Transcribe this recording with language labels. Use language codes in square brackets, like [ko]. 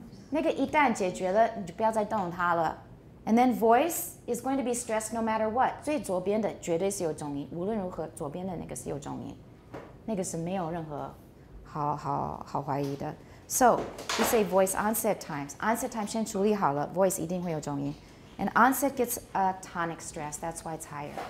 [zh] 那个一旦解决了,你就不要再动它了。 [en] And then voice is going to be stressed no matter what. [zh] 最左边的绝对是有重音,无论如何,左边的那个是有重音。那个是没有任何好怀疑的。 [en] So, we say voice onset times. Onset times [zh] 先处理好了, [en] voice [zh] 一定会有重音。 [en] And onset gets a tonic stress, that's why it's higher.